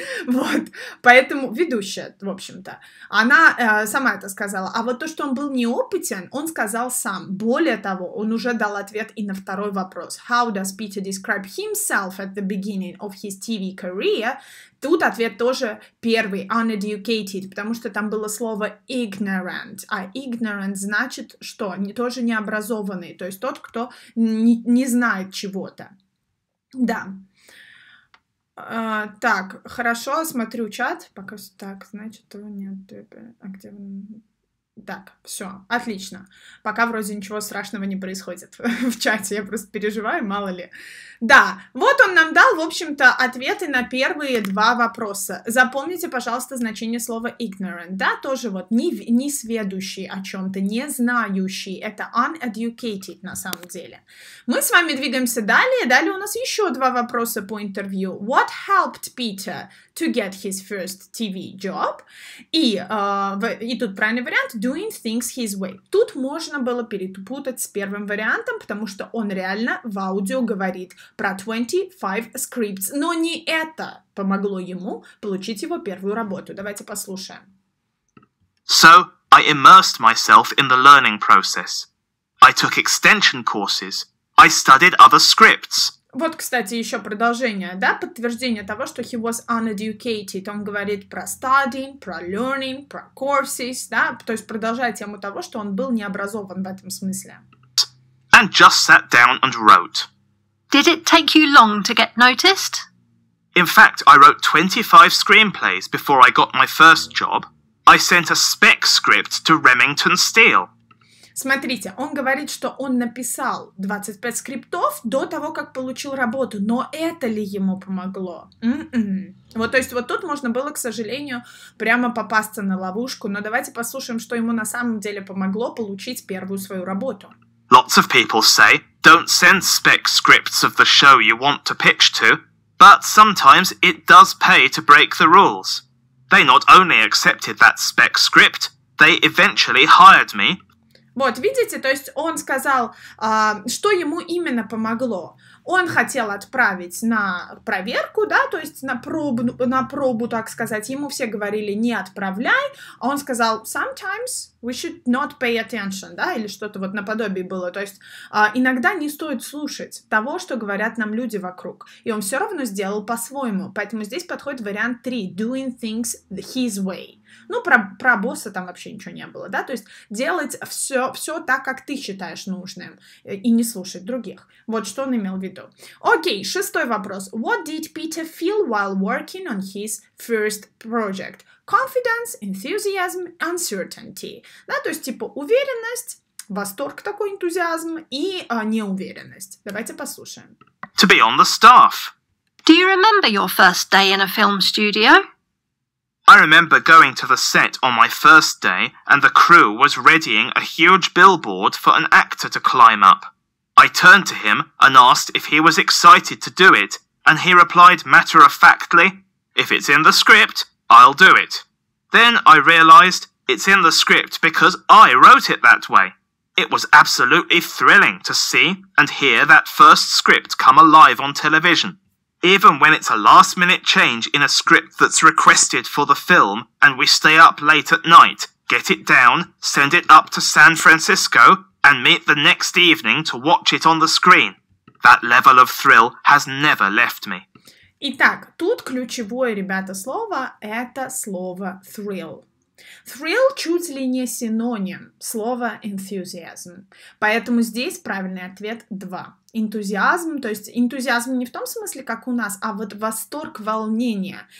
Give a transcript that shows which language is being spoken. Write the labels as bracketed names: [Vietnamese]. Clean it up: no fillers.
[Russian] Вот, поэтому ведущая, в общем-то. Она сама это сказала. А вот то, что он был неопытен, он сказал сам. Более того, он уже дал ответ и на второй вопрос. [English] «How does Peter describe himself at the beginning of his TV career?» [Russian] Тут ответ тоже первый, uneducated, потому что там было слово ignorant, а ignorant значит что? Тоже необразованный, то есть тот, кто не знает чего-то. Да. Так, хорошо, смотрю чат. Пока что так, значит, его нет. А где он? Так, все, отлично. Пока вроде ничего страшного не происходит в чате, я просто переживаю, мало ли. Да, вот он нам дал, в общем-то, ответы на первые два вопроса. Запомните, пожалуйста, значение слова ignorant. Да, тоже вот не сведущий о чем-то, не знающий. Это uneducated на самом деле. Мы с вами двигаемся далее. Далее у нас еще два вопроса по интервью. [English] What helped Peter to get his first TV job? [Russian] И тут правильный вариант. [English] Doing things his way. [Russian] Тут можно было перепутать с первым вариантом, потому что он реально в аудио говорит про 25 scripts, но не это помогло ему получить его первую работу. Давайте послушаем. [English] So, I immersed myself in the learning process. I took extension courses. I studied other scripts. [Russian] Вот, кстати, еще продолжение, да, подтверждение того, что [English] he was uneducated. [Russian] Он говорит про studying, про learning, про courses, да, то есть продолжает тему того, что он был необразован в этом смысле. [English] And just sat down and wrote. Did it take you long to get noticed? In fact, I wrote 25 screenplays before I got my first job. I sent a spec script to Remington Steele. [Russian] Смотрите, он говорит, что он написал 25 скриптов до того, как получил работу, но это ли ему помогло? Mm-mm. Вот, то есть, вот тут можно было, к сожалению, прямо попасться на ловушку, но давайте послушаем, что ему на самом деле помогло получить первую свою работу. [English] Lots of people say, don't send spec scripts of the show you want to pitch to, but sometimes it does pay to break the rules. They not only accepted that spec script, they eventually hired me. [Russian] Вот, видите, то есть он сказал, что ему именно помогло. Он хотел отправить на проверку, да, то есть на пробу, так сказать. Ему все говорили, не отправляй. А он сказал, [English] sometimes we should not pay attention, [Russian] да, или что-то вот наподобие было. То есть иногда не стоит слушать того, что говорят нам люди вокруг. И он все равно сделал по-своему. Поэтому здесь подходит вариант 3, [English] doing things his way. [Russian] Ну, про босса там вообще ничего не было, да? То есть делать все так, как ты считаешь нужным, и не слушать других. Вот что он имел в виду. Окей, шестой вопрос. [English] What did Peter feel while working on his first project? Confidence, enthusiasm, uncertainty. [Russian] Да, то есть типа уверенность, восторг такой, энтузиазм и неуверенность. Давайте послушаем. [English] To be on the staff. Do you remember your first day in a film studio? I remember going to the set on my first day, and the crew was readying a huge billboard for an actor to climb up. I turned to him and asked if he was excited to do it, and he replied matter-of-factly, "If it's in the script, I'll do it." Then I realized it's in the script because I wrote it that way. It was absolutely thrilling to see and hear that first script come alive on television. Even when it's a last-minute change in a script that's requested for the film, and we stay up late at night, get it down, send it up to San Francisco, and meet the next evening to watch it on the screen. That level of thrill has never left me. [Russian] Итак, тут ключевое, ребята, слово – это слово «thrill». Thrill чуть ли не синоним слова enthusiasm. Поэтому здесь правильный ответ 2. Энтузиазм, то есть энтузиазм не в том смысле, как у нас, а вот восторг, волнение.